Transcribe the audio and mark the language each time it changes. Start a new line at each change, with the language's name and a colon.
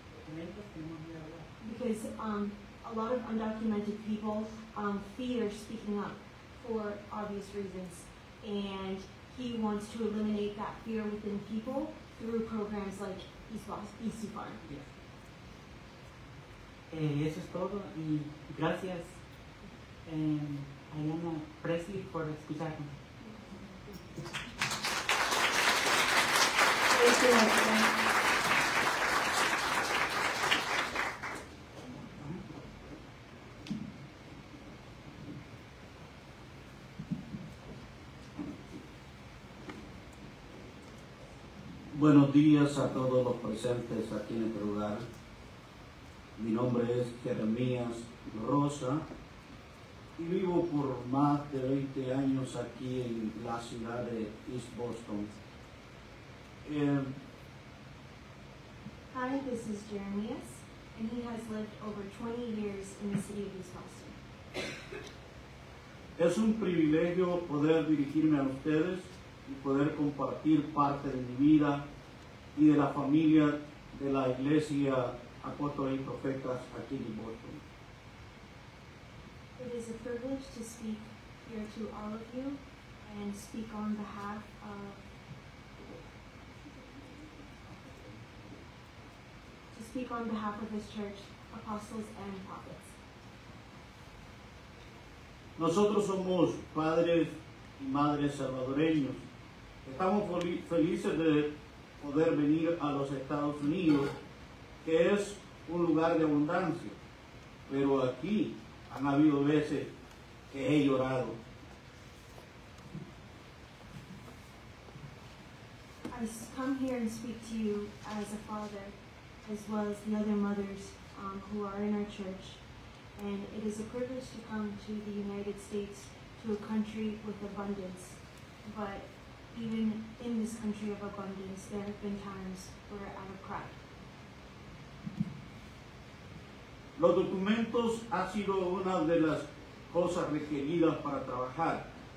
English: Because a lot of undocumented people fear speaking up for obvious reasons, and he wants to eliminate that fear within people through programs like EC Farm. Yes.
Spanish: Eso es todo, y gracias, Ayanna Pressley, por escucharme.
English: Thank you.
Spanish: Buenos días a todos los presentes aquí en este lugar. Mi nombre es Jeremías Rosa y vivo por más de 20 años aquí en la ciudad de East Boston.
English: Hi, this is Jeremias, and he has lived over 20 years in the city of East Boston.
Spanish: Es un privilegio poder dirigirme a ustedes y poder compartir parte de mi vida y de la familia de la iglesia Apóstoles y Profetas aquí en Boston.
English: It is a privilege to speak here to all of you and speak on behalf of this church, Apostles and Prophets.
Spanish: Nosotros somos padres y madres salvadoreños. Estamos felices de poder venir a los Estados Unidos, que es un lugar de abundancia, pero aquí han habido veces que he llorado.
English: I come here and speak to you as a father, as well as the other mothers who are in our church, and it is a privilege to come to the United States, to a country with abundance, but even in this country of abundance, there have been times where I have cried.
Spanish: Los documentos ha sido una de las cosas requeridas para trabajar.